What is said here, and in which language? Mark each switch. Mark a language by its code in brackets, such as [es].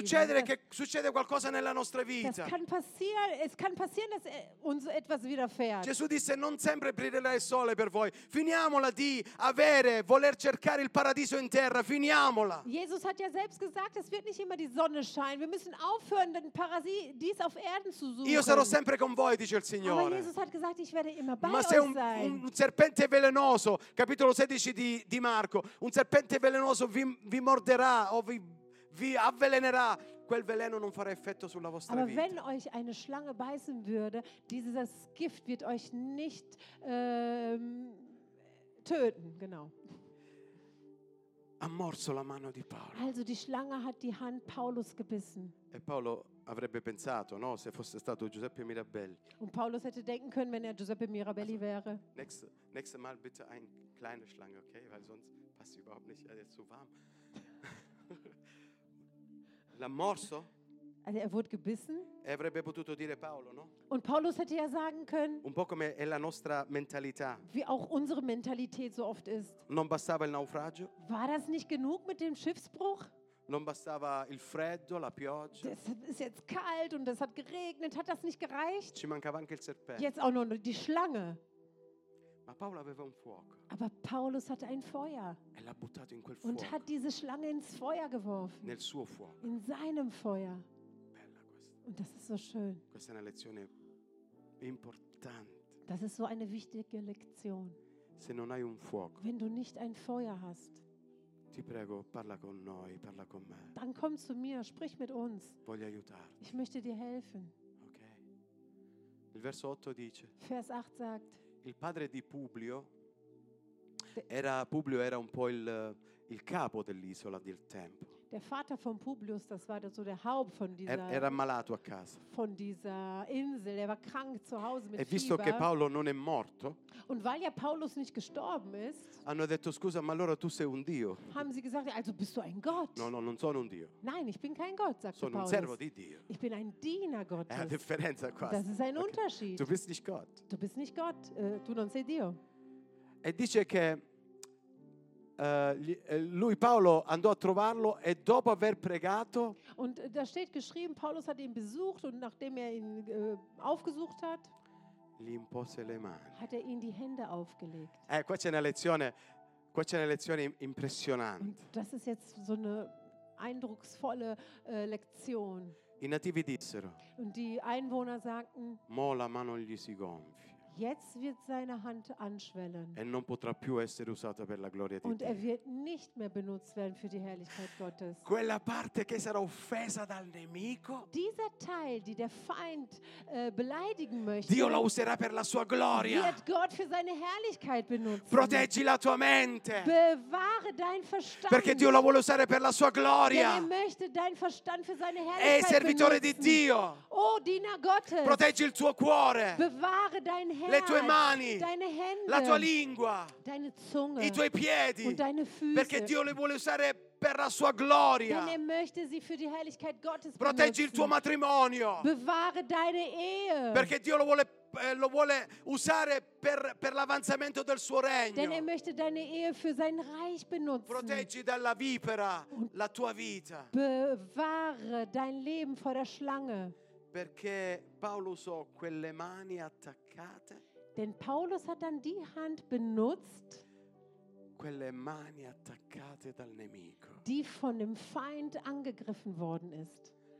[it] Succedere che succede qualcosa nella nostra vita. [de] Das kann passieren, es kann passieren, dass uns etwas widerfährt. [it] Gesù disse, non sempre brillerà il sole per voi. Finiamola di avere, voler cercare il paradiso in terra. Finiamola. [de] Jesus hat ja selbst gesagt, es wird nicht immer die Sonne scheinen. Wir müssen aufhören, den Paradies auf Erden zu suchen. [it] Io sarò sempre con voi, dice il Signore. [de] Aber Jesus hat gesagt, ich werde immer bei [it] Ma [de] euch [it] se [de] sein. [it] Ma un serpente velenoso, capitolo 16 di Marco, un serpente velenoso vi morderà o vi avvelenerà, quel veleno non farà effetto sulla vostra [de] Aber [it] vita. [de] Wenn euch eine Schlange beißen würde, dieses Gift wird euch nicht töten, genau. [it] Ha morso la mano di Paolo. [de] Also die Schlange hat die Hand Paulus gebissen. [it] E Paolo avrebbe pensato, no, se fosse stato Giuseppe Mirabelli. [de] Und Paulus hätte denken können, wenn er Giuseppe Mirabelli also, wäre. Nächste Mal bitte eine kleine Schlange, okay, weil sonst passt sie überhaupt nicht, er ist zu warm. [it] L'ha morso? [de] Also er wurde gebissen. [it] E avrebbe potuto dire Paolo, no? [de] Und Paulus hätte ja sagen können. [it] Un po' come è la nostra mentalità. [de] Wie auch unsere Mentalität so oft ist. [it] Non bastava il naufragio? [de] War das nicht genug mit dem Schiffsbruch? [it] Non bastava il freddo, la pioggia. [de] Das ist jetzt kalt und es hat geregnet. Hat das nicht gereicht? [it] Ci mancava anche il serpente. [de] Jetzt auch noch die Schlange. [it] Ma Paolo aveva un fuoco. [de] Aber Paulus hatte ein Feuer. [it] E l'ha buttato in quel fuoco. [de] Und hat diese Schlange ins Feuer geworfen. [it] Nel suo fuoco. [de] In seinem Feuer. [it] Bella questa. [de] Und das ist so schön. [it] Questa è una lezione importante. [de] Das ist so eine wichtige Lektion. [it] Se non hai un fuoco. [de] Wenn du nicht ein Feuer hast. [it] Ti prego, parla con noi, parla con me. [de] Dann komm zu mir, sprich mit uns. [it] Voglio aiutarti. [de] Ich möchte dir helfen. [it] Okay. Il verso 8 dice. [de] Vers 8 sagt. [it] Il padre di Publio era un po' il capo dell'isola del tempo. [de] Der Vater von Publius, das war so der Haupt von dieser. [it] Era malato a casa. [de] Von dieser Insel, er war krank zu Hause mit Fieber. [it] E visto che Paolo non è morto. [de] Und weil ja Paulus nicht gestorben ist. [it] Hanno detto scusa, ma allora tu sei un Dio. [de] Haben sie gesagt, also bist du ein Gott? [it] No, non sono un Dio. [de] Nein, ich bin kein Gott, sagte [it] sono [de] Paulus. [it] Sono un servo di Dio. [de] Ich bin ein Diener Gottes. [it] È la differenza qua. [de] Das ist ein okay. Unterschied. Tu bist nicht Gott. Du bist nicht Gott, [it] tu non sei Dio. E dice che lui Paolo andò a trovarlo e dopo aver pregato. [de] Und da steht geschrieben, Paulus hat ihn besucht und nachdem er ihn aufgesucht hat, [it] gli impose le mani. [de] Hat er ihm die Hände aufgelegt. [it] Qua c'è una lezione impressionante. [de] Und das ist jetzt so eine eindrucksvolle Lektion. [it] I nativi dissero. [de] Und die Einwohner sagten. [it] Mo la mano gli si gonfi. [de] Jetzt wird seine Hand anschwellen. [it] E non potrà più essere usata per la gloria di Dio. [de] Und er wird nicht mehr benutzt werden für die Herrlichkeit Gottes. [it] Quella parte che sarà offesa dal nemico. [de] Dieser Teil, die der Feind beleidigen möchte. [it] Dio la userà per la sua gloria. [de] Wird Gott für seine Herrlichkeit benutzen. [it] Proteggi la tua mente. [de] Bewahre dein Verstand. [it] Perché Dio la vuole usare per la sua gloria. [de] Denn er möchte dein Verstand für seine Herrlichkeit benutzen. [it] E servitore di Dio. [de] Oh, Diener Gottes. [it] Proteggi il tuo cuore. [de] Bewahre dein Herz. [it] Le tue mani, [de] deine Hände, [it] la tua lingua, [de] deine Zunge, [it] i tuoi piedi, [de] und deine Füße, [it] perché Dio le vuole usare per la sua gloria. [de] Denn er möchte sie für die Herrlichkeit Gottes [it] proteggi Il tuo matrimonio, [de] bewahre deine Ehe, [it] perché Dio lo vuole usare per l'avanzamento del suo regno. [de] Denn er möchte deine Ehe für sein Reich benutzen. [it] Proteggi dalla vipera la tua vita. [de] Bewahre dein Leben vor der Schlange. [it] Perché Paolo usò quelle mani attaccate. [de] Denn Paulus hat dann die Hand benutzt. [it] Quelle mani attaccate dal nemico. [de] Die von dem Feind angegriffen worden ist.